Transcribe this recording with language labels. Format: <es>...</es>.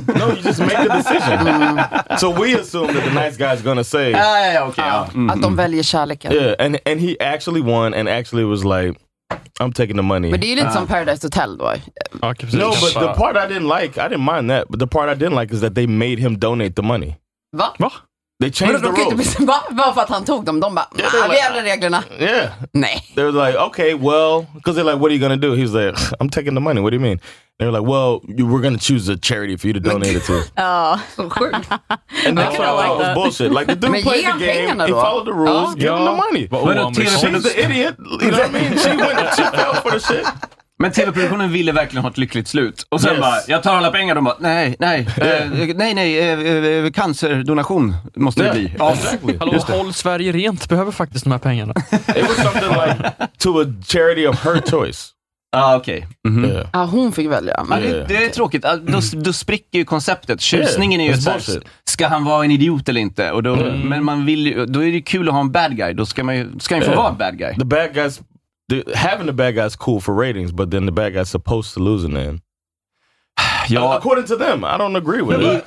<en>No, you just make a decision. So we assume that the nice guy's going to say. Okay.</en> <sv>Att de väljer kärleken.</sv> <en>Yeah, and he actually won and actually was like, I'm taking the money. But you did some Paradise Hotel, boy. No, but the part I didn't like, I didn't mind that. But the part I didn't like is that they made him donate the money.</en> <sv>Va? Va?</sv> <en>They changed the rules.</en> <sv>Bara för att han tog dem. De bara, nah, vi ändrar reglerna.</sv> <en>Yeah.</en> <sv>Nej.</sv> <en>They were like, okay, well, because they're like, what are you going to do? He's like, I'm taking the money. What do you mean? They were like, well, we're going to choose a charity for you to donate it to. Oh, of course. And that's bullshit. Like, the dude played the game. He followed the rules. Oh, give him the money. But Tina, she's the idiot. You know what I mean? She went to fell for the shit.</en> <sv>Men TV-produktionen ville verkligen ha ett lyckligt slut. Och sen bara, jag tar alla pengar. De bara, nej, cancerdonation måste det bli.</sv> <en>Exactly.</en> <sv>Hallå, håll Sverige rent. Behöver faktiskt de här pengarna.</sv> <en>It was something like to a charity of her choice.</en> <sv>Okej. Ja, hon fick välja. Men det är tråkigt. Då spricker ju konceptet. Tjusningen är ju så här, ska han vara en idiot eller inte? Och då, men man vill ju, då är det kul att ha en bad guy. Då ska han få vara bad guy.</sv> <en>The bad guys... having the bad guy is cool for ratings, but then the bad guy's supposed to lose in the end.</en> <sv>Ja.</sv> <en>According to them, I don't agree with it.</en>